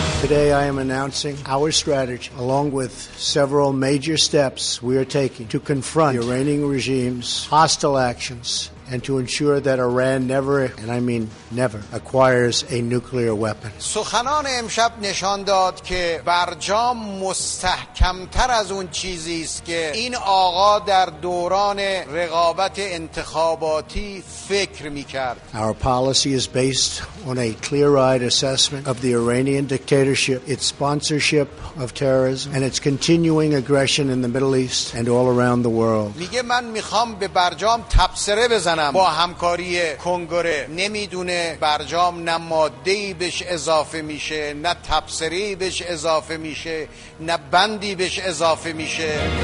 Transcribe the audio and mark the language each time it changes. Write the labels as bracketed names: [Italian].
[English] Today I am announcing our strategy along with several major steps we are taking to confront the reigning regime's hostile actions and to ensure that Iran never, and I mean never, acquires a nuclear weapon. [Persian] سخنان امشب نشان داد که برجام مستحکم‌تر از اون چیزی است که این آقا در دوران رقابت انتخاباتی فکر می‌کرد. [English] Our policy is based on a clear-eyed assessment of the Iranian dictatorship, its sponsorship of terrorism, and its continuing aggression in the Middle East and all around the world. [Persian] میگه من می‌خوام به برجام تبصره بزنم با همکاری کنگره. نمی‌دونه برجام نه ماده‌ای بهش اضافه میشه، نه تبصره‌ای بهش اضافه میشه، نه بندی بهش اضافه میشه.